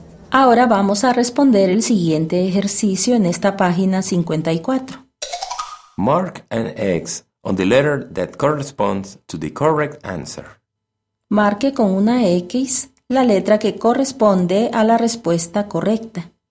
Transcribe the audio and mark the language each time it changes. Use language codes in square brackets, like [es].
[es] Ahora vamos a responder el siguiente ejercicio en esta página 54. [en] Mark an X on the letter that corresponds to the correct answer. [es] Marque con una X la letra que corresponde a la respuesta correcta.